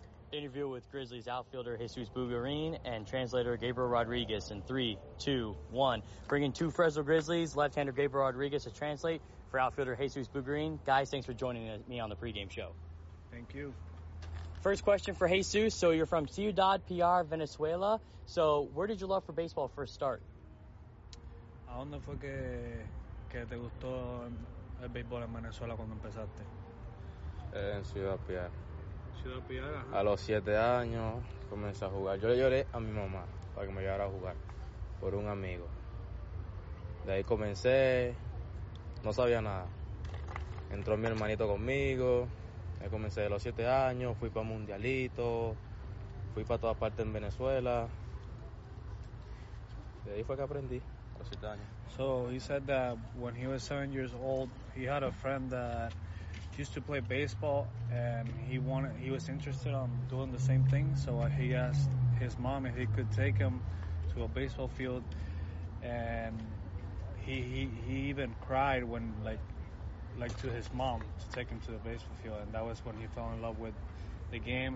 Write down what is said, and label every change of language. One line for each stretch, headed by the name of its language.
English: Interview with Grizzlies outfielder Jesus Bugarin and translator Gabriel Rodriguez in 3, 2, 1. Bringing two Fresno Grizzlies, left-hander Gabriel Rodriguez to translate for outfielder Jesus Bugarin. Guys, thanks for joining me on the pregame show. Thank you. First question for Jesus. So you're from Ciudad PR, Venezuela. So where did your love for baseball first start?
Spanish: ¿A dónde fue que te gustó el béisbol en Venezuela cuando empezaste? En Ciudad PR. Ciudad Piar, a los 7 años comencé a jugar. Yo le lloré a mi mamá para que me llevara a jugar por un amigo. De ahí comencé, no sabía nada. Entró mi hermanito conmigo, ya comencé de los 7 años, fui para Mundialito, fui para todas partes en Venezuela. De ahí fue que aprendí.
English: So he said that when he was 7 years old, he had a friend that used to play baseball, and he was interested in doing the same thing. So he asked his mom if he could take him to a baseball field, and he even cried when like to his mom to take him to the baseball field, and that was when he fell in love with the game.